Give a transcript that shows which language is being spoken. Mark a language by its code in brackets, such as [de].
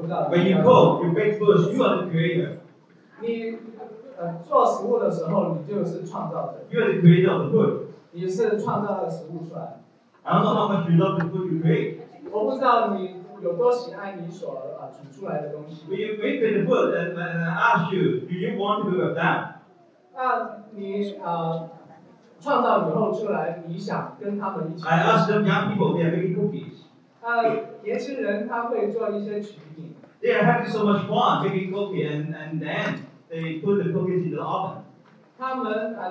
[en] When you cook, you bake first, you are the creator. [zh] 你做食物的时候，你就是创造者。 [en] You are the creator of the food. [zh] 你是创造的食物出来。 [en] I don't know how much you love the food you create. [zh] 我不知道你。有多喜爱你所煮出来的东西？ [en] When you make the food, and I ask you, do you want to have that? [zh] 那你创造以后出来，你想跟他们一起？ [en] I ask them young people, they are making cookies. [zh] 年轻人他会做一些曲奇饼。 [en] They are having so much fun making cookies, and then they put the cookies in the oven.